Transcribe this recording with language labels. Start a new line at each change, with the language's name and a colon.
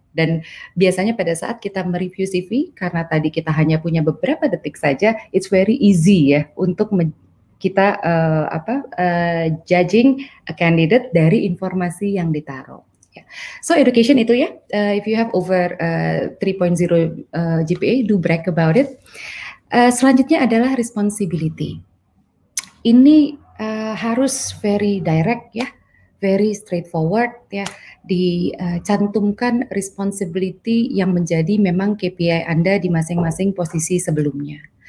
Indonesian: Dan biasanya pada saat kita mereview CV, karena tadi kita hanya punya beberapa detik saja,
English: it's very easy
Indonesian: ya untuk kita judging a candidate dari informasi yang ditaruh. So education itu ya,
English: if you have over 3.0 GPA, do brag about it.
Indonesian: Selanjutnya adalah responsibility. Ini harus very direct ya, very straightforward ya, dicantumkan responsibility yang menjadi memang KPI Anda di masing-masing posisi sebelumnya.